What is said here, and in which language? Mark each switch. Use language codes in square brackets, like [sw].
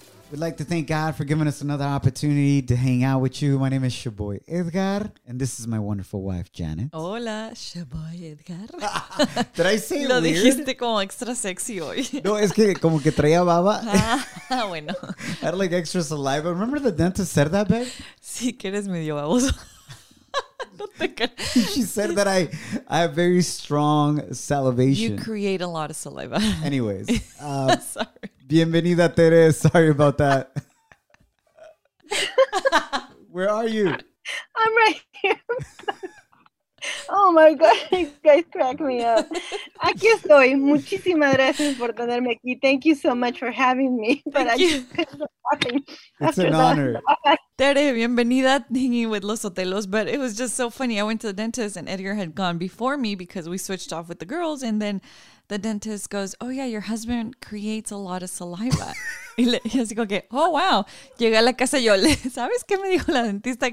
[en] We'd like to thank God for giving us another opportunity to hang out with you. My name is Shaboy Edgar, and this is my wonderful wife, Janet. [es] Hola, Shaboy Edgar. [en] Did I say [es] lo [en] weird? [es] Lo dijiste como extra sexy hoy. No, es que como que traía baba. Ah, bueno. [en] I had like extra saliva. Remember the dentist said that, babe? [es] Sí, que eres medio baboso. [en] She said that I have very strong salivation. You create a lot of saliva. Anyways. Sorry. Bienvenida, Tere. Sorry about that. Where are you? I'm right here. Oh, my God. You guys crack me up. Aquí estoy. [es] Muchísimas gracias por tenerme aquí. [en] Thank you so much for having me. Thank you. It's an honor. Tere, bienvenida hanging with Los Otelos. But it was just so funny. I went to the dentist and Edgar had gone before me because we switched off with the girls. And then the dentist goes, oh, yeah, your husband creates a lot of saliva. [es] Y así como que, oh, wow. Llegué a la casa y yo, ¿sabes qué me dijo la dentista?